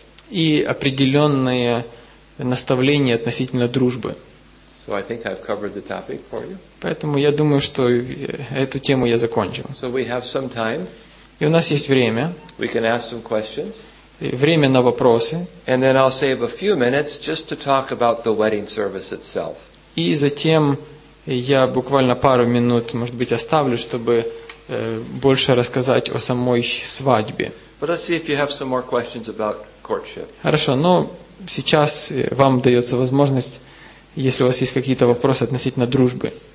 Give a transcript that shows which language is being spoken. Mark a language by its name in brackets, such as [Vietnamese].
[Russian] И определенные наставления относительно дружбы. [English] So I think I've covered the topic for you. [Russian] Поэтому я думаю, что эту тему я закончил. [English] So we have some time. [Russian] И у нас есть время. [English] We can ask some questions. [Russian] Время на вопросы. [English] And then I'll save a few minutes just to talk about the wedding service itself. [Russian] И затем я буквально пару минут, может быть, оставлю, чтобы больше рассказать о самой свадьбе. [English] But let's see if you have some more questions about courtship. [Russian] Хорошо, но сейчас вам дается возможность. Если у вас есть какие-то вопросы относительно дружбы.